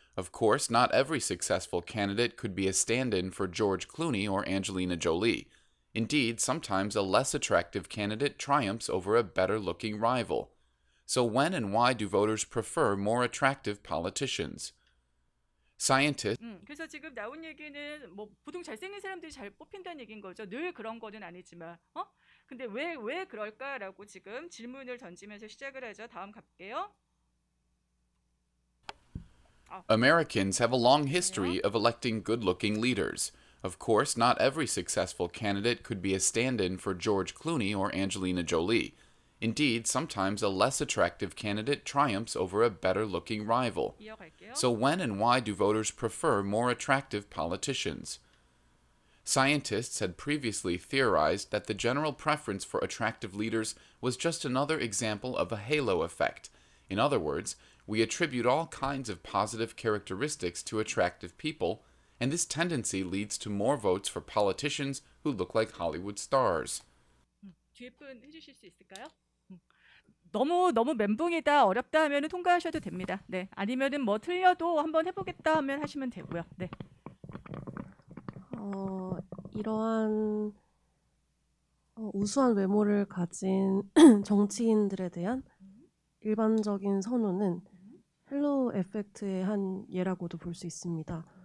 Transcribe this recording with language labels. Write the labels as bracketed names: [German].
[English] Of course, not every successful candidate could be a stand-in for George Clooney or Angelina Jolie. Indeed, sometimes a less attractive candidate triumphs over a better-looking rival. So when and why do voters prefer more attractive politicians? Scientists. [Korean] 그래서 지금 나온 얘기는 뭐 보통 잘생긴 사람들이 잘 뽑힌다는 얘긴 거죠. 늘 그런 거는 아니지만, 근데 왜 그럴까라고 지금 질문을 던지면서 시작을 하죠. 다음 갈게요. [English] Americans have a long history of electing good-looking leaders. Of course, not every successful candidate could be a stand-in for George Clooney or Angelina Jolie. Indeed, sometimes a less attractive candidate triumphs over a better-looking rival. [Korean] 이어갈게요. [English] So when and why do voters prefer more attractive politicians? Scientists had previously theorized that the general preference for attractive leaders was just another example of a halo effect. In other words, we attribute all kinds of positive characteristics to attractive people, and this tendency leads to more votes for politicians who look like Hollywood stars. [Korean] 뒤에 분 해주실 수 있을까요? 너무 너무 멘붕이다 어렵다 하면은 통과하셔도 됩니다. 네, 아니면은 뭐 틀려도 한번 해보겠다 하면 하시면 되고요. 네. 이러한 우수한 외모를 가진 정치인들에 대한 일반적인 선호는 헬로우 에펙트의 한 예라고도 볼 수 있습니다.